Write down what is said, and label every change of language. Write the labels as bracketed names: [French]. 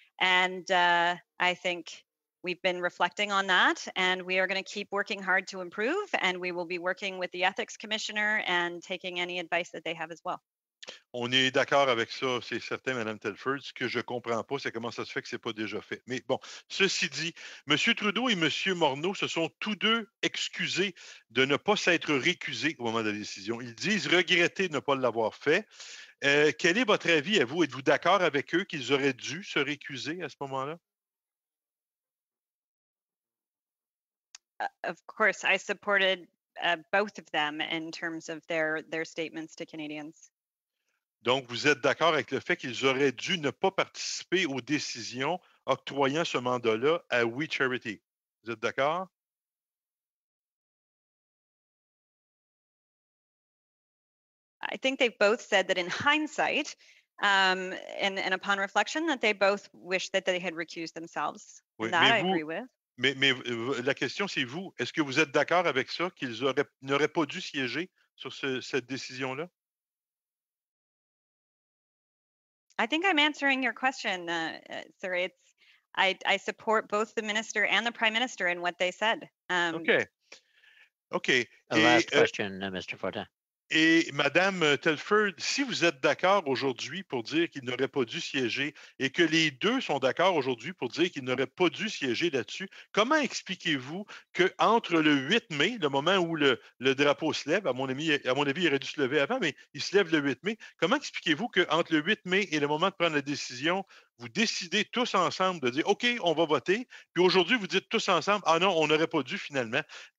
[English] And I think we've been reflecting on that, and we are going to keep working hard to improve, and we will be working with the Ethics Commissioner and taking any advice that they have as well. [French] On est d'accord avec ça, c'est certain, Madame Telford. Ce que je ne comprends pas, c'est comment ça se fait que ce n'est pas déjà fait. Mais bon, ceci dit, M. Trudeau et M. Morneau se sont tous deux excusés de ne pas s'être récusés au moment de la décision. Ils disent regretter de ne pas l'avoir fait. Quel est votre avis à vous? Êtes-vous d'accord avec eux qu'ils auraient dû se récuser à ce moment-là? [English] Of course, I supported both of them in terms of their statements to Canadians. [French] Donc, vous êtes d'accord avec le fait qu'ils auraient dû ne pas participer aux décisions octroyant ce mandat-là à We Charity. Vous êtes d'accord? [English] I think they both said that in hindsight, and upon reflection, that they both wish that they had recused themselves. [French] Oui, [English] that I agree with. [French] Mais la question, c'est vous. Est-ce que vous êtes d'accord avec ça, qu'ils n'auraient pas dû siéger sur cette décision-là? [English] I think I'm answering your question, sir. I support both the minister and the prime minister in what they said. Okay. Last question, Mr. Fortin. [French] Et Madame Telford, si vous êtes d'accord aujourd'hui pour dire qu'il n'aurait pas dû siéger et que les deux sont d'accord aujourd'hui pour dire qu'il n'aurait pas dû siéger là-dessus, comment expliquez-vous qu'entre le 8 mai, le moment où le drapeau se lève, à mon avis, il aurait dû se lever avant, mais il se lève le 8 mai, comment expliquez-vous qu'entre le 8 mai et le moment de prendre la décision, vous décidez tous ensemble de dire « OK, on va voter », puis aujourd'hui, vous dites tous ensemble « Ah non, on n'aurait pas dû finalement ».